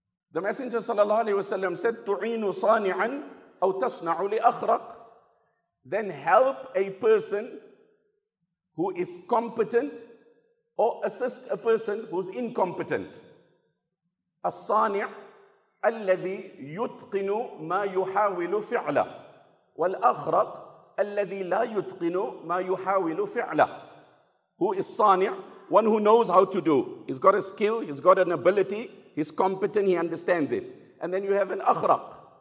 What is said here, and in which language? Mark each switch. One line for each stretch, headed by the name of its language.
English: The Messenger sallallahu alaihi wasallam said,
Arabic: تُعِينُ صَانِعًا أو تصنع لأخرق.
English: Then help a person who is competent or assist a person who is incompetent.
Arabic: الصانع الذي يتقن ما يحاول فعله والأخرق الذي لا يتقن ما يحاول فعله.
English: Who is صانع? One who knows how to do. He's got a skill, he's got an ability, he's competent, he understands it. And then you have an أخرق.